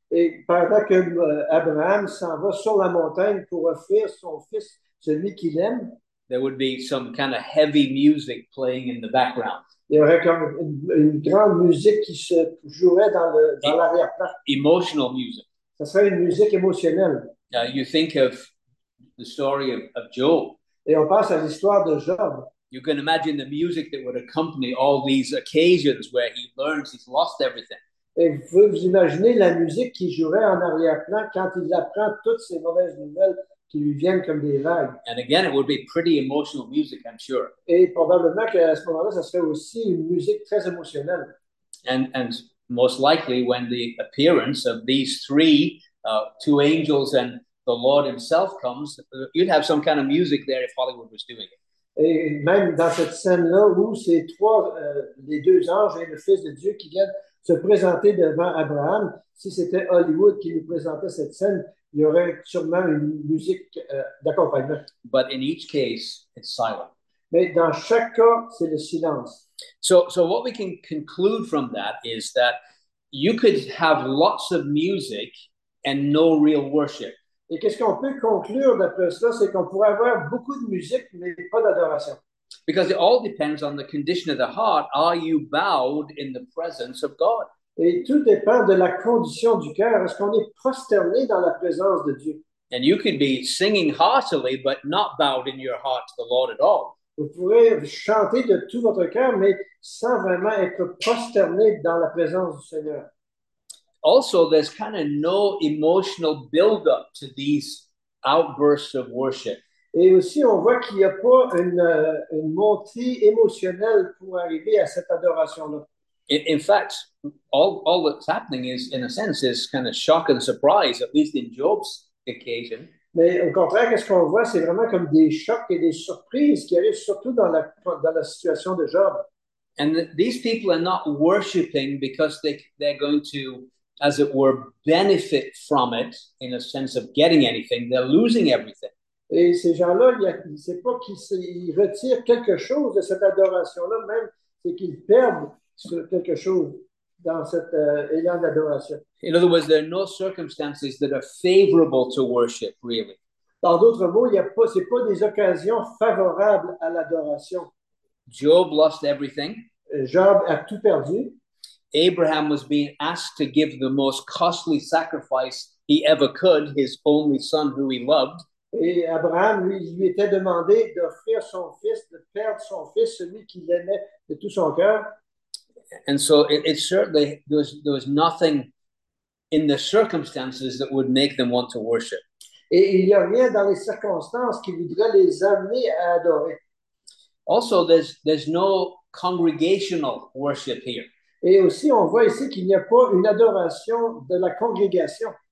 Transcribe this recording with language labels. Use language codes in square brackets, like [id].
[fr] Et pendant que Abraham s'en va sur la montagne pour offrir son fils, celui qu'il aime, [en] there would be some kind of heavy music playing in the background. [fr] Il y aurait comme une grande musique qui se jouerait dans l'arrière-plan. [en] Emotional music. [fr] Ça serait une musique émotionnelle. [en] You think of the story of Job. [fr] Et on pense à l'histoire de Job. [en] You can imagine the music that would accompany all these occasions where he learns he's lost everything. [fr] Et vous pouvez vous imaginer la musique qui jouerait en arrière-plan quand il apprend toutes ces mauvaises nouvelles qui lui viennent comme des vagues. [en] And again, it would be pretty emotional music, I'm sure. [fr] Et probablement qu'à ce moment-là, ça serait aussi une musique très émotionnelle. [en] And most likely when the appearance of these three, two angels and the Lord himself comes, you'd have some kind of music there if Hollywood was doing it. [fr] Et même dans cette scène-là où ces trois, les deux anges et le Fils de Dieu qui viennent se présenter devant Abraham, si c'était Hollywood qui lui présentait cette scène, il y aurait sûrement une musique d'accompagnement. [en] But in each case, it's silent. [fr] Mais dans chaque cas, c'est le silence. [en] So what we can conclude from that is that you could have lots of music and no real worship. [fr] Et qu'est-ce qu'on peut conclure d'après cela, c'est qu'on pourrait avoir beaucoup de musique, mais pas d'adoration. [en] Because it all depends on the condition of the heart. Are you bowed in the presence of God? [fr] Et tout dépend de la condition du cœur. Est-ce qu'on est prosterné dans la présence de Dieu? [en] And you could be singing heartily, but not bowed in your heart to the Lord at all. [fr] Vous pourrez chanter de tout votre cœur, mais sans vraiment être prosterné dans la présence du Seigneur. [en] Also, there's kind of no emotional build-up to these outbursts of worship. [fr] Et aussi, on voit qu'il n'y a pas une montée émotionnelle pour arriver à cette adoration-là. [en] In fact, all that's happening is, in a sense, is kind of shock and surprise, at least in Job's occasion. [fr] Mais au contraire, qu'est-ce qu'on voit, c'est vraiment comme des chocs et des surprises qui arrivent surtout dans la situation de Job. [en] And these people are not worshiping because they're going to, as it were, benefit from it in a sense of getting anything. They're losing everything. [fr] Et ces gens-là, c'est pas qu'ils retirent quelque chose de cette adoration-là, même c'est qu'ils perdent quelque chose dans cet élan d'adoration. [en] In other words, there are no circumstances that are favorable to worship, really. [fr] Dans d'autres mots, c'est pas des occasions favorables à l'adoration. [en] Job lost everything. [fr] Job a tout perdu. [en] Abraham was being asked to give the most costly sacrifice he ever could, his only son who he loved. [fr] Et Abraham, lui était demandé d'offrir son fils, de perdre son fils, celui qu'il aimait de tout son cœur. [en] And so it certainly, there was nothing in the circumstances that would make them want to worship. [fr] Et il n'y a rien dans les circonstances qui voudrait les amener à adorer. [en] Also, there's no congregational worship here. [fr] Et aussi, on voit ici qu'il n'y a pas une adoration de la congrégation.